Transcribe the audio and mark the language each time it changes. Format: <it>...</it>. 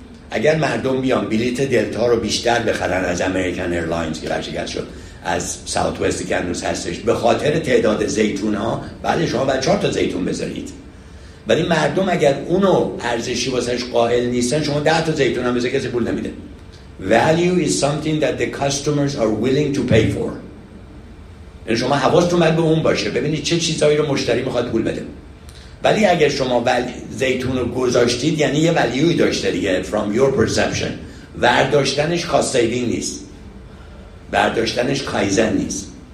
<fa>اگر مردم بیان بلیت دلتا رو بیشتر بخرن از امریکن ایرلاینز که برشکست شد، از ساوت وست کنوس هستش، به خاطر تعداد زیتون ها، بله شما باید 4 تا زیتون بذارید، ولی مردم اگر اونو ارزشی واسش قائل نیستن، شما 10 تا زیتون هم بذارید کسی پول نمیده.</fa> <en>Value is something that the customers are willing to pay for.</en> <fa>یعنی شما حواستون باید به اون باشه، ببینید چه چیزهایی رو مشتری میخواد پول بده. ولی اگر شما زیتون رو گذاشتید، یعنی یه value داشته دیگه،</fa> <en>from your perception.</en> <fa>ورداشتنش cost saving نیست، برداشتنش کایزن نیست.</fa>